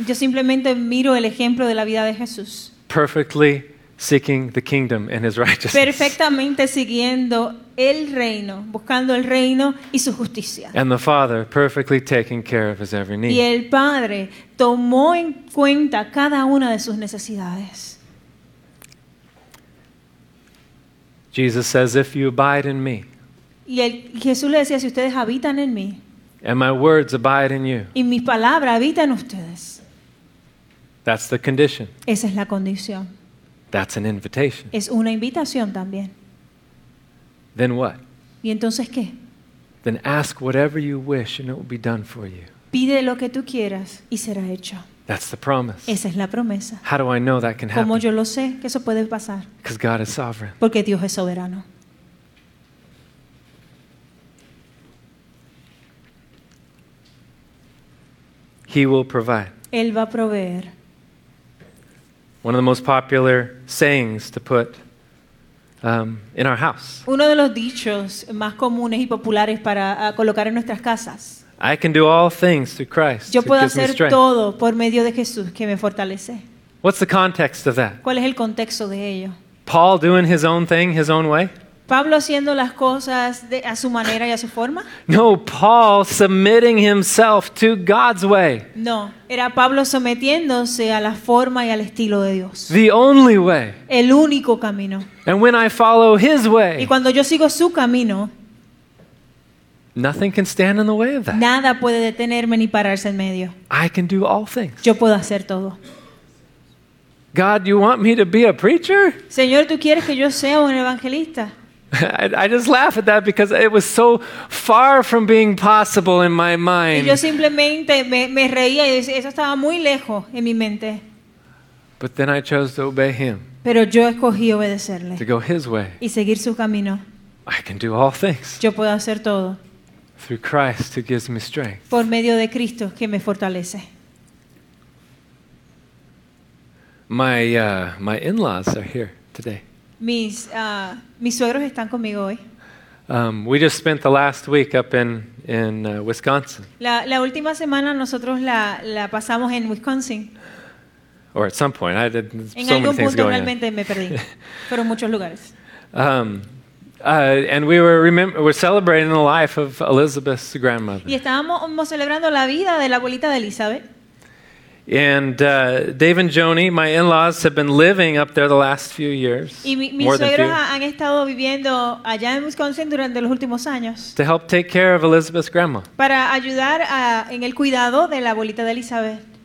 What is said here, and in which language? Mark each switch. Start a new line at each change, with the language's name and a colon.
Spanish: Yo simplemente miro el ejemplo de la vida de Jesús.
English: Perfectly seeking the kingdom and his righteousness.
Spanish: Perfectamente siguiendo el reino, buscando el reino y su justicia.
English: And the Father perfectly taking care of his every need.
Spanish: Y el Padre tomó en cuenta cada una de sus necesidades.
English: Jesus says, "If you abide in me."
Spanish: Y el Jesús le decía, si ustedes habitan en mí.
English: And my words abide in you.
Spanish: Y mi palabra habita en ustedes.
English: That's the condition.
Spanish: Esa es la condición.
English: That's an invitation.
Spanish: Es una invitación también.
English: Then what?
Spanish: ¿Y entonces qué?
English: Then ask whatever you wish and it will be done for you.
Spanish: Pide lo que tú quieras y será hecho.
English: That's the promise.
Spanish: Esa es la promesa.
English: How do I know that can happen?
Spanish: ¿Cómo yo lo sé que eso puede pasar?
English: Because God is sovereign.
Spanish: Porque Dios es soberano.
English: He will provide.
Spanish: Él va a proveer.
English: One of the most popular sayings to put in our house.
Spanish: Uno de los dichos más comunes y populares para colocar en nuestras casas.
English: I can do all things through Christ.
Spanish: Yo puedo hacer todo por medio de Jesús que me fortalece.
English: What's the context of that?
Spanish: ¿Cuál es el contexto de ello?
English: Paul doing his own thing, his own way?
Spanish: Pablo haciendo las cosas a su manera y a su forma?
English: No, Paul submitting himself to God's way.
Spanish: No, era Pablo sometiéndose a la forma y al estilo de Dios.
English: The only way.
Spanish: El único camino.
English: And when I follow his way.
Spanish: Y cuando yo sigo su camino.
English: Nothing can stand in the way of that.
Spanish: Nada puede detenerme ni pararse en medio.
English: I can do all things.
Spanish: Yo puedo hacer todo.
English: God, you want me to be a preacher?
Spanish: Señor, ¿tú quieres que yo sea un evangelista?
English: I just laugh at that because it was so far from being possible in my mind.
Spanish: Y yo simplemente me reía y decía, eso estaba muy lejos en mi mente.
English: But then I chose to obey him.
Spanish: Pero yo escogí obedecerle.
English: To go his way.
Spanish: Y seguir su camino.
English: I can do all things.
Spanish: Yo puedo hacer todo.
English: Through Christ who gives me strength.
Spanish: Por medio de Cristo que me fortalece.
English: My in-laws are here today.
Spanish: Mis suegros están conmigo hoy.
English: We just spent the last week up in Wisconsin.
Spanish: La última semana nosotros la pasamos en Wisconsin.
English: Or at some point, I did en so many things going on.
Spanish: En algún punto realmente me perdí. Fueron muchos lugares.
English: And we were celebrating the life of Elizabeth's grandmother.
Spanish: Y estábamos celebrando la vida de la abuelita de Elizabeth.
English: And Dave and Joni, my in-laws, have been living up there the last few years.
Spanish: Y mis suegros han estado viviendo allá en Wisconsin durante los últimos años.
English: To help take care of Elizabeth's grandma.
Spanish: Para ayudar en el cuidado de la abuelita de Elizabeth.